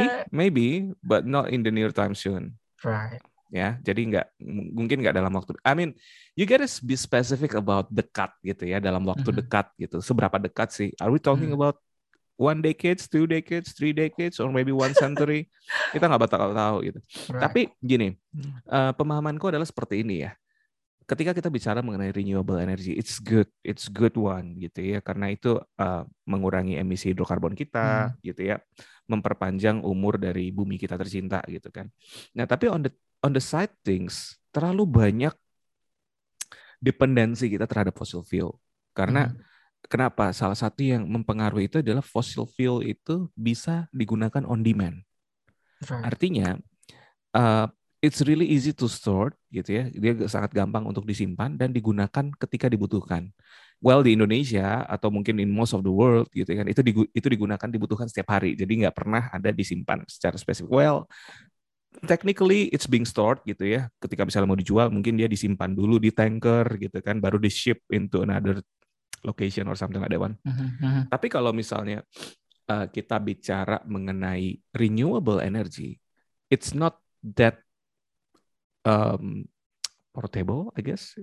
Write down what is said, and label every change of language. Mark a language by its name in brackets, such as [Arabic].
[English] Maybe, but not in the near time soon. Right. [Indonesian] Ya, jadi mungkin nggak dalam waktu. [English] I mean, you gotta be specific about [Indonesian] dekat gitu ya, dalam waktu dekat gitu. Seberapa dekat sih? [English] Are we talking about one decades, two decades, three decades, or maybe one century. [Indonesian] Kita nggak bakal tahu gitu. [English] Right. [Indonesian] Tapi gini, pemahamanku adalah seperti ini ya. Ketika kita bicara mengenai renewable energy, [English] it's good one [Indonesian] gitu ya, karena itu mengurangi emisi hidrokarbon kita, gitu ya, memperpanjang umur dari bumi kita tercinta gitu kan. Nah tapi [English] on the side things, [Indonesian] terlalu banyak dependensi kita terhadap fossil fuel. Karena kenapa? Salah satu yang mempengaruhi itu adalah fossil fuel itu bisa digunakan [English] on demand. Right. [Indonesian] Artinya, [English] it's really easy to store, gitu ya. [Indonesian] Dia sangat gampang untuk disimpan dan digunakan ketika dibutuhkan. Well, di Indonesia atau mungkin [English] in most of the world, [Indonesian] gitu kan, itu digunakan dibutuhkan setiap hari. Jadi nggak pernah ada disimpan secara spesifik. [English] Well, technically it's being stored, gitu ya. [Indonesian] Ketika misalnya mau dijual, mungkin dia disimpan dulu di tanker, gitu kan, baru di [English] ship into another location or something like that one. [Indonesian] Tapi kalau misalnya kita bicara mengenai renewable energy, [English] it's not that portable, I guess.